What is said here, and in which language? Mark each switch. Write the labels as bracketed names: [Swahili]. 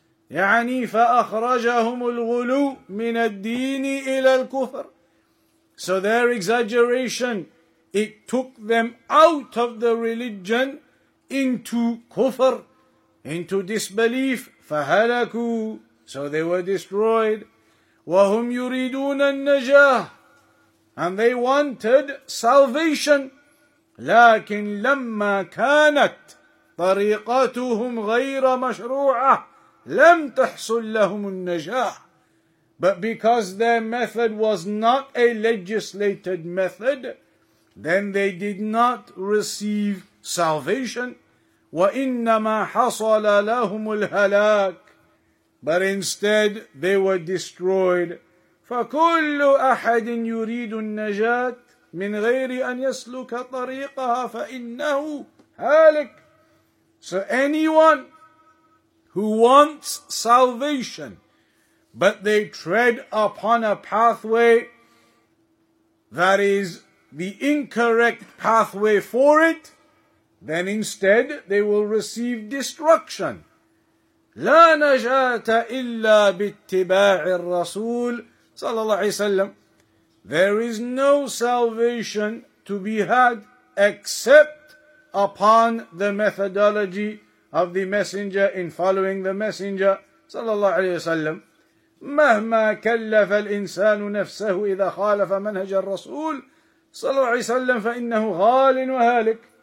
[Arabic] يعني فأخرجهم الغلو من الدين إلى الكفر. [English] So their exaggeration, it took them out of the religion into kufr, into disbelief. [Arabic] فهلكوا. [English] So they were destroyed. [Arabic] وهم يريدون النجاة. [English] And they wanted salvation. [Arabic] لكن لما كانت طريقتهم غير مشروعة لَمْ تَحْصُلْ لَهُمُ النَّجَاحِ. [English] But because their method was not a legislated method, then they did not receive salvation. [Arabic] وَإِنَّمَا حَصَلَ لَهُمُ الْهَلَاكِ. [English] But instead, they were destroyed. [Arabic] فَكُلُّ أَحَدٍ يُرِيدُ النَّجَاةِ مِنْ غَيْرِ أَنْ يَسْلُكَ طَرِيقَهَا فَإِنَّهُ هَالِكِ. [English] So anyone who wants salvation, but they tread upon a pathway that is the incorrect pathway for it, then instead they will receive destruction. [Arabic] لا نجاة إلا باتباع الرسول صلى الله عليه وسلم. [English] There is no salvation to be had except upon the methodology of the Messenger, in following the Messenger, [Arabic] sallallahu alayhi wa sallam. مَهْمَا كَلَّفَ الْإِنسَانُ نَفْسَهُ إِذَا خَالَفَ مَنْهَجَ الرَّسُولِ صلى الله عليه وسلم فَإِنَّهُ غَالٍ وَهَالِكٍ.